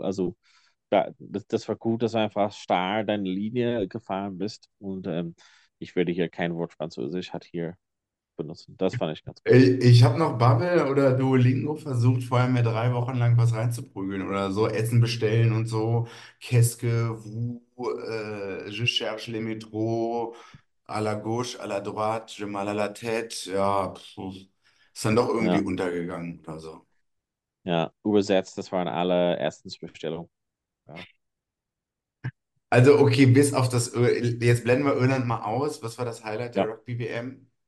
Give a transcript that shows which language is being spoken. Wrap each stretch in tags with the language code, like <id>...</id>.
<de>Also, das war gut, dass du einfach starr deine Linie gefahren bist. Und ich würde hier kein Wort Französisch hat hier benutzen. Das fand ich ganz gut. Ich habe noch Babbel oder Duolingo versucht, vorher mir 3 Wochen lang was reinzuprügeln oder so, Essen bestellen und so.</de> <fr>Qu'est-ce que vous, je cherche le métro, à la gauche, à la droite, j'ai mal à la tête.</fr> <de>Ja, pff, ist dann doch irgendwie Ja. untergegangen oder so. Ja, übersetzt, das waren alle Erstensbestellungen. Ja. Also, okay, bis auf das. Jetzt blenden wir Irland mal aus. Was war das Highlight der Rugby-WM?</de>